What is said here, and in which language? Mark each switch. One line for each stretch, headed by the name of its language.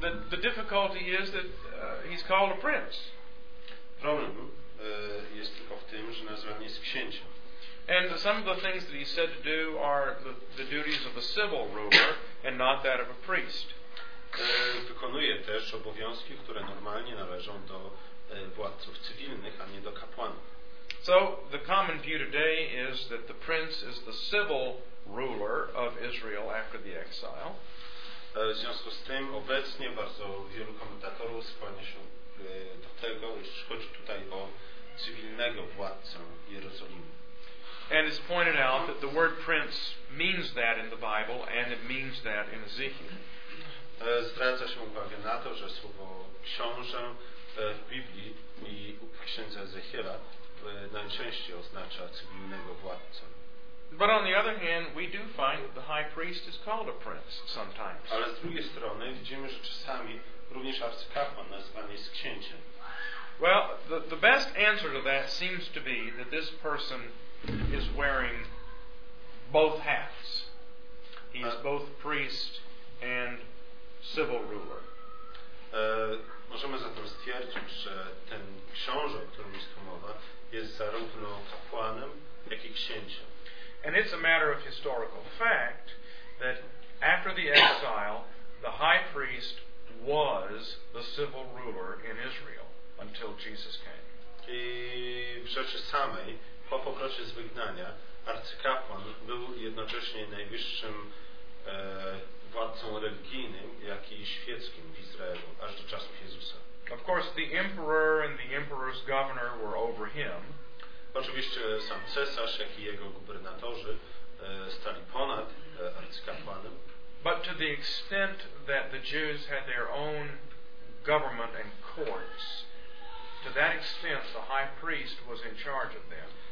English: The difficulty is that he's called a prince.
Polish: Problem jest tylko w tym, że nazwany jest księciem.
English: And some of the things that he said to do are the duties of a civil ruler and not that of a priest.
Polish: Wykonuje też obowiązki, które normalnie należą do władców cywilnych, a nie do kapłanów.
English: So the common view today is that the prince is the civil ruler of Israel after the exile.
Polish: W związku z tym obecnie bardzo wielu komentatorów skłania się do tego, iż chodzi tutaj o cywilnego władcę Jerozolimy.
English: And it's pointed out that the word prince means that in the Bible and it means that in Ezekiel.
Polish: Zwraca się uwagę na to, że słowo książę w Biblii i u księdza Ezechiela najczęściej oznacza cywilnego władcę.
English: But on the other hand, we do find that the high priest is called a prince sometimes.
Polish: Ale z drugiej strony widzimy, że czasami również arcykapłan nazywany jest księciem.
English: Well, the best answer to that seems to be that this person is wearing both hats. He is both priest and civil ruler.
Polish: Możemy zatem stwierdzić, że ten książę, o którym jest tu mowa, jest zarówno kapłanem, jak i księciem.
English: And it's a matter of historical fact that after the exile, the high priest was the civil ruler in Israel until Jesus came.
Polish: I w rzeczy samej, po powrocie z wygnania, arcykapłan był jednocześnie najwyższym władcą religijnym, jak i świeckim w Izraelu, aż do czasów Jezusa.
English: Of course, the emperor and the emperor's governor were over him.
Polish: Oczywiście sam cesarz, jak i jego gubernatorzy stali ponad arcykapłanem.
English: But to the extent that the Jews had their own government and courts, to that extent the high priest was in charge of them.